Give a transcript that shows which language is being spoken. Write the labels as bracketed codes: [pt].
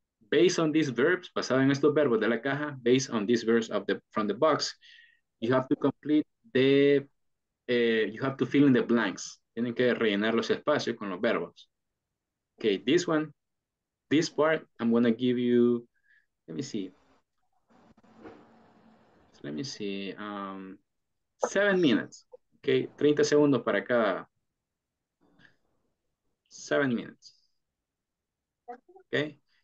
[en] Based on these verbs, [es] basado en estos verbos de la caja, [en] based on these verbs of the from the box, you have to complete the, you have to fill in the blanks. [es] Tienen que rellenar los espacios con los verbos. [en] Okay, this one, this part, I'm gonna give you, let me see, 7 minutes. Okay, 30 [es] segundos para cada, [en] 7 minutes. Okay.